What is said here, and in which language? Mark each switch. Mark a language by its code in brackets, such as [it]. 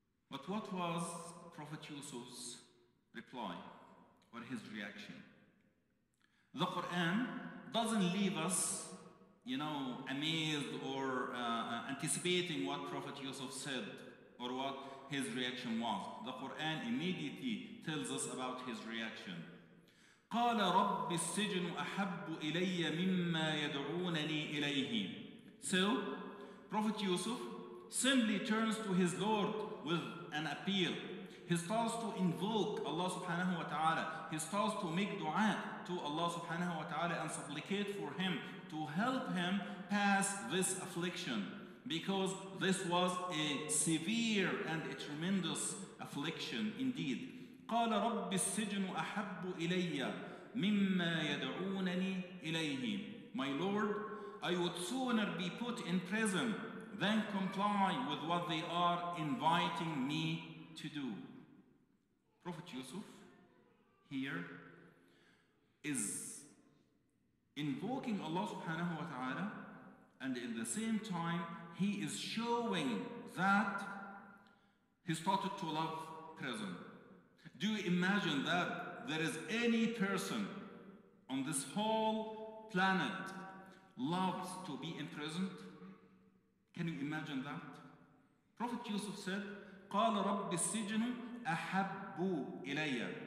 [en] But what was Prophet Yusuf's reply or his reaction? The Quran doesn't leave us, you know, amazed or anticipating what Prophet Yusuf said or what his reaction was. The Quran immediately tells us about his reaction. [ar] قال رب السجن أحب إلي مما يدعونني إليه. [en] So, Prophet Yusuf simply turns to his Lord with an appeal. He starts to invoke Allah subhanahu wa ta'ala. He starts to make dua to Allah subhanahu wa ta'ala and supplicate for him to help him pass this affliction, because this was a severe and a tremendous affliction indeed. [ar] قال رب السجن أحب إلي مما يدعونني إليه. [en] My Lord, I would sooner be put in prison than comply with what they are inviting me to do. Prophet Yusuf here is invoking Allah subhanahu wa ta'ala, and at the same time he is showing that he started to love prison. Do you imagine that there is any person on this whole planet loves to be imprisoned? Can you imagine that? Prophet Yusuf said, [ar] قَالَ رَبِّ السِّجْنُ أَحَبُّ إِلَيَّ.